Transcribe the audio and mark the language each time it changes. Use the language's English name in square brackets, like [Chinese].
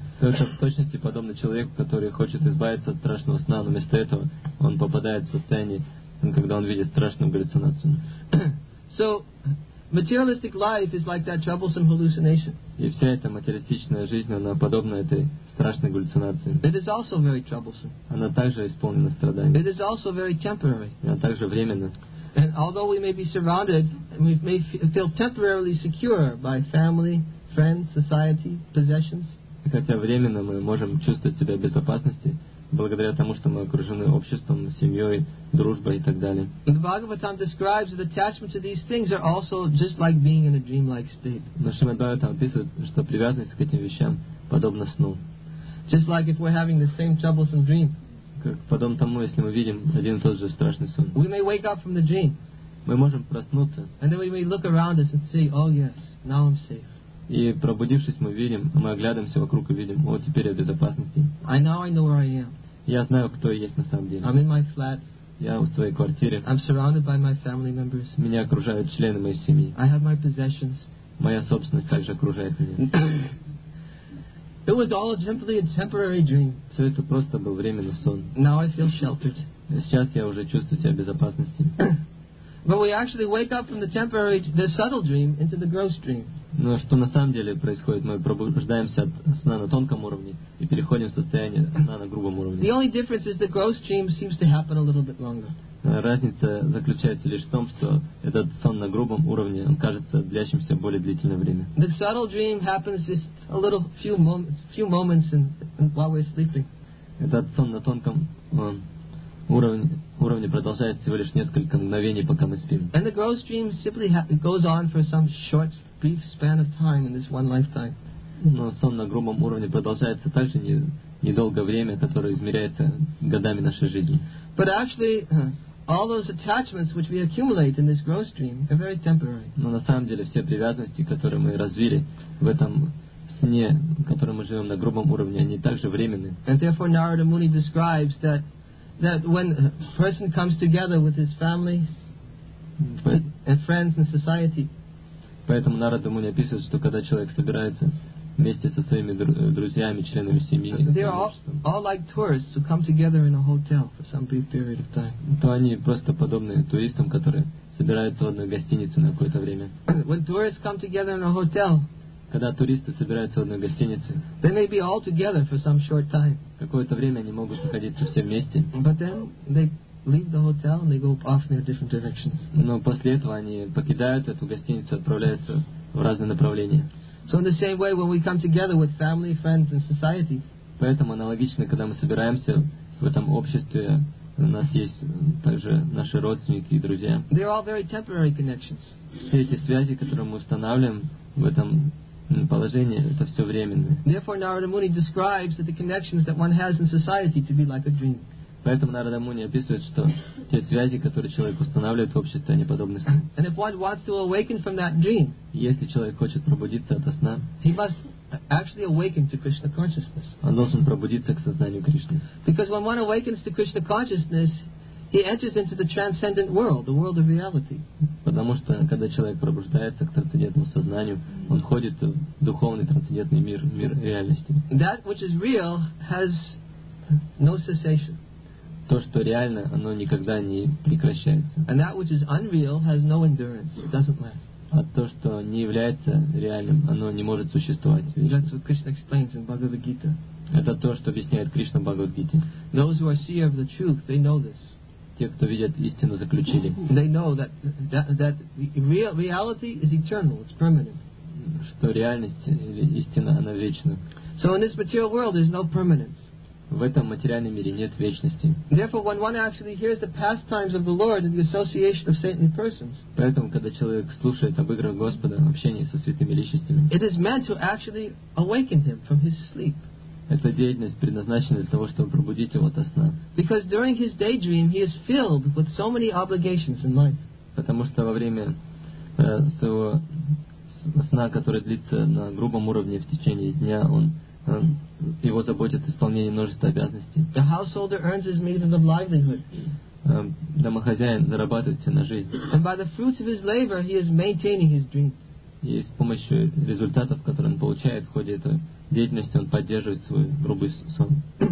[Russian] Это в точности подобно человеку, который хочет избавиться от страшного сна, но вместо этого он попадает в состояние, когда он видит страшную галлюцинацию. [English] So materialistic life is like that troublesome hallucination. [Russian] И вся эта материалистичная жизнь, она подобна этой страшной галлюцинации. [English] It is also very troublesome. [Russian] Она также исполнена страданий. [English] It is also very temporary. [Russian] Она также временна. [English] And although we may be surrounded, we may feel temporarily secure by family, friends, society, possessions. [Russian] И хотя временно мы можем чувствовать себя в безопасности благодаря тому, что мы окружены обществом, семьей, дружбой и так далее. [English] The Bhagavatam describes that attachment to these things are also just like being in a dreamlike state. [Russian] Но Шримад Бхагаватам описывает, что привязанность к этим вещам подобна сну. [English] Just like if we're having the same troublesome dream. [Russian] Как подобно тому, если мы видим один и тот же страшный сон. [English] We may wake up from the dream. [Russian] Мы можем проснуться. [English] And then we may look around us and say, oh yes, now I'm safe. [Russian] И пробудившись, мы оглядываемся вокруг и видим, о, теперь я в безопасности. [English] I know where I am. [Russian] Я знаю, кто я есть на самом деле. [English] I'm in my flat. [Russian] Я в своей квартире. [English] I'm surrounded by my family members. [Russian] Меня окружают члены моей семьи. [English] I have my possessions. [Russian] Моя собственность также окружает меня. [English] It was all simply a temporary dream. [Russian] Все это просто был временный сон. [English] Now I feel sheltered. [Russian] Сейчас я уже чувствую себя в безопасности. [English] But we actually wake up from the temporary, the subtle dream into the gross dream. [Russian] Но что на самом деле происходит? Мы пробуждаемся от сна на тонком уровне и переходим в состояние сна на грубом уровне. [English] The only difference is the gross dream seems to happen a little bit longer. [Russian] Разница заключается лишь в том, что этот сон на грубом уровне, он кажется длящимся более длительное время. [English] The subtle dream happens just a little few moments and while we're sleeping. [Russian] Этот сон на тонком уровне продолжается всего лишь несколько мгновений, пока мы спим. [English] And the gross dream simply goes on for some short brief span of time in this one lifetime. [Russian] Но сон на грубом уровне продолжается также недолгое время, которое измеряется годами нашей жизни. [English] But actually, all those attachments which we accumulate in this gross dream are very temporary. [Russian] Но на самом деле все привязанности, которые мы развили в этом сне, в котором мы живем на грубом уровне, они также временны. [English] And therefore, Narada Muni describes that when a person comes together with his family and friends and society. [Russian] Поэтому Нарада Муни описывает, что когда человек собирается вместе со своими друзьями, членами семьи, [English] all like tourists who come together in a hotel for some brief period of time. [Russian] То они просто подобны туристам, которые собираются в одной гостинице на какое-то время. [English] When tourists come together in a hotel, [Russian] когда туристы собираются в одной гостинице, [English] they may be all together for some short time. [Russian] Какое-то время они могут находиться все вместе. [English] But then they leave the hotel and they go off in their different directions. [Russian] Но после этого они покидают эту гостиницу, отправляются в разные направления. [English] So in the same way, when we come together with family, friends, and society. [Russian] Поэтому аналогично, когда мы собираемся в этом обществе, у нас есть также наши родственники и друзья. [English] They are all very temporary connections. [Russian] Все эти связи, которые мы устанавливаем в этом положение, это все временное. [English] Therefore, Narada Muni describes that the connections that one has in society to be like a dream. [Russian] Поэтому Нарада Муни описывает, что те связи, которые человек устанавливает в обществе, они подобны сну. [English] And if one wants to awaken from that dream, [Russian] если человек хочет пробудиться от сна, [English] he must actually awaken to Krishna consciousness. [Russian] Он должен пробудиться к сознанию Кришны. [English] Because when one awakens to Krishna consciousness, he enters into the transcendent world, the world of reality. [Russian] Потому что когда человек пробуждается к трансцендентному сознанию, он входит в духовный трансцендентный мир, мир реальности. [English] That which is real has no cessation. [Russian] То, что реально, оно никогда не прекращается. [English] And that which is unreal has no endurance. It doesn't last. [Russian] А то, что не является реальным, оно не может существовать. [English] That's what Krishna explains in Bhagavad Gita. [Russian] Это то, что объясняет Кришна в Бхагавад Гите. [English] Those who are seers of the truth, they know this. [Russian] Те, кто видят истину, заключили. [English] They know that reality is eternal. It's permanent. [Russian] Что реальность или истина, она вечна. [English] So in this material world, there's no permanence. [Russian] В этом материальном мире нет вечности. [English] Therefore, when one actually hears the pastimes of the Lord in the association of saintly persons, [Russian] поэтому, когда человек слушает об играх Господа в общении со святыми личностями, [English] it is meant to actually awaken him from his sleep. [Russian] Эта деятельность предназначена для того, чтобы пробудить его ото сна. [English] Because during his daydream he is filled with so many obligations in life. [Russian] Потому что во время своего сна, который длится на грубом уровне в течение дня, он его заботит исполнение множества обязанностей. [English] The householder earns his means of livelihood. [Russian] Домохозяин зарабатывает себе на жизнь. [English] And by the fruits of his labor, he is maintaining his dream. [Russian] И с помощью результатов, которые он получает в ходе этой деятельности, он поддерживает свой грубый сон.